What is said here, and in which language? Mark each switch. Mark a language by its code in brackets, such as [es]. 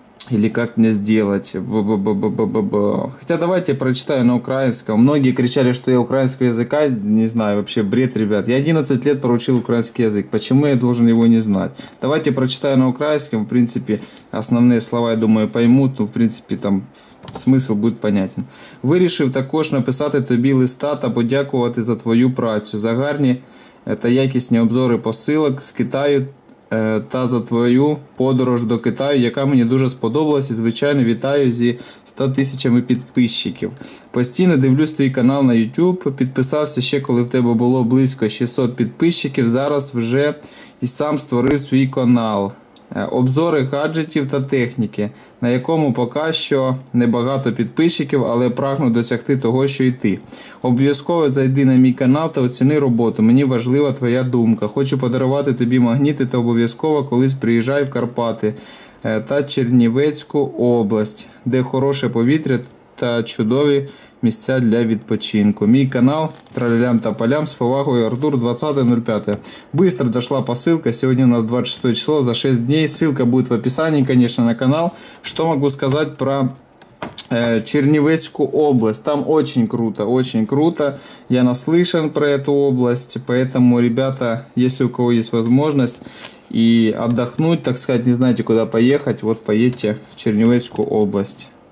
[ru] Или как мне сделать? Б-б-б-б-б-б-б-б. Хотя давайте я прочитаю на украинском. Многие кричали, что я украинского языка не знаю. Вообще бред, ребят. Я 11 лет проучил украинский язык. Почему я должен его не знать? Давайте прочитаю на украинском. В принципе, основные слова, я думаю, поймут. Ну, в принципе, там смысл будет понятен. [uk] Вирішив також написати тобі листа та подякувати за твою працю, за гарні та якісні обзори посилок з Китаю та за твою подорож до Китаю, яка мені дуже сподобалась, і, звичайно, вітаю зі 100 тисячами підписчиків. Постійно дивлюсь твій канал на YouTube, підписався ще коли в тебе було близько 600 підписчиків, зараз вже і сам створив свій канал. Обзори гаджетів та техніки, на якому поки що небагато підписчиків, але прагну досягти того, що і ти. Обов'язково зайди на мій канал та оціни роботу. Мені важлива твоя думка. Хочу подарувати тобі магніти та обов'язково колись приїжджай в Карпати та Чернівецьку область, де хороше повітря та чудові місця для відпочинку. Мій канал Тралялям та Палям, з повагою Артур 20.05. [ru] Быстро дошла посылка. Сегодня у нас 26 число, за 6 дней. Ссылка будет в описании, конечно, на канал. Что могу сказать про Чернівецьку область? Там очень круто, очень круто. Я наслышан про эту область, поэтому, ребята, если у кого есть возможность и отдохнуть, так сказать, не знаете, куда поехать, вот поедьте в Чернівецьку область.